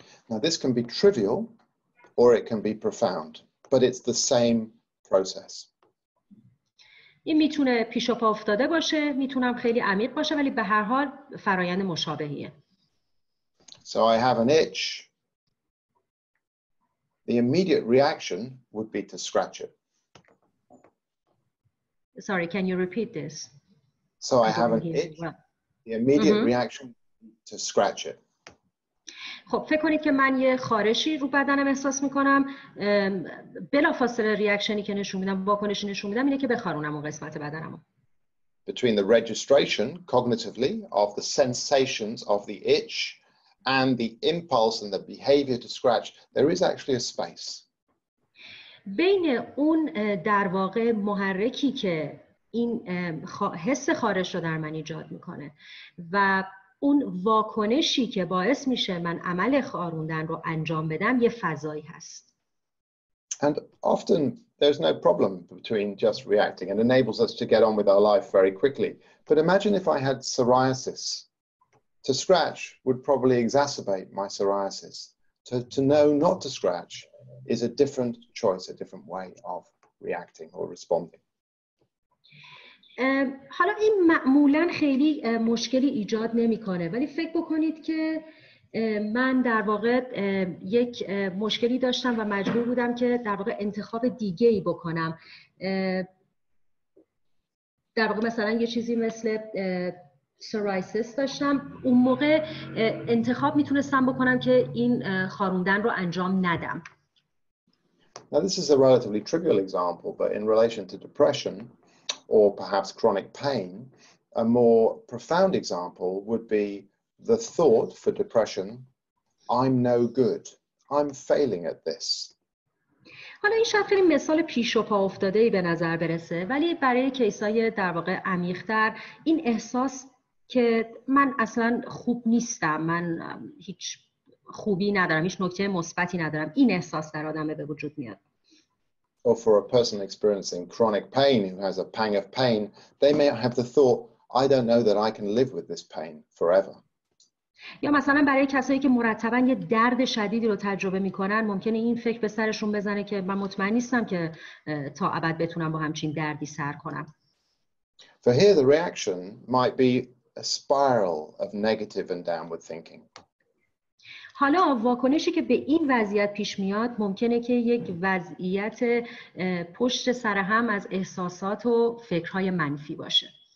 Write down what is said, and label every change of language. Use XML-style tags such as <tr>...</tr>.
<en>Now this can be trivial or it can be profound, but it's the same process.</en> <fa>این میتونه پیش و پا افتاده باشه، میتونم خیلی عمیق باشه، ولی به هر حال فرایند مشابهیه.</fa> <en>So I have an itch. The immediate reaction would be to scratch it. Sorry, can you repeat this? So I have an itch. Well. The immediate reaction to scratch it.</en> <fa>خب فکر کنید که من یه خارشی رو بدنم احساس می‌کنم، بلافاصله ریاکشنی که نشون میدم، واکنشی نشون میدم اینه که بخارونم اون قسمت بدنمو.</fa> <en>Between the registration cognitively of the sensations of the itch and the impulse and the behavior to scratch, there is actually a space.</en> <fa>بین اون در واقع محرکی که این حس خارش رو در من ایجاد میکنه و اون واکنشی که باعث میشه من عمل خاروندن رو انجام بدم یه فضایی هست.</fa> <en>And often there's no problem between just reacting and enables us to get on with our life very quickly. But imagine if I had psoriasis. To scratch would probably exacerbate my psoriasis. To know not to scratch is a different choice, a different way of reacting or responding.</en> <fa>حالا این معمولاً خیلی مشکلی ایجاد نمی‌کنه، ولی فکر بکنید که من در واقع یک مشکلی داشتم و مجبور بودم که در واقع انتخاب دیگه‌ای بکنم. در واقع مثلاً یه چیزی مثل psoriasis داشتم، اون موقع انتخاب میتونستم بکنم که این خاروندن رو انجام ندم.</fa> <en>Now this is a relatively trivial example, but in relation to depression or perhaps chronic pain, a more profound example would be the thought for depression, I'm no good, I'm failing at this.</en> <fa>حالا این شاید خیلی مثال پیش و پا افتاده ای به نظر برسه، ولی برای کیسای در واقع عمیق‌تر این احساس که من اصلا خوب نیستم، من هیچ خوبی ندارم، هیچ نکته مثبتی ندارم، این احساس در آدم به وجود میاد.</fa> <en>Or for a person experiencing chronic pain who has a pang of pain, they may have the thought, I don't know that I can live with this pain forever.</en> <fa>یا مثلا برای کسایی که مرتبا یه درد شدیدی رو تجربه میکنن، ممکنه این فکر به سرشون بزنه که من مطمئن نیستم که تا ابد بتونم با همچین دردی سر کنم.</fa> <en>For here the reaction might be a spiral of negative and downward thinking.</en> <fa>حالا واکنشی که به این وضعیت پیش میاد ممکنه که یک وضعیت پشت سر هم از احساسات و فکرهای منفی باشه.</fa>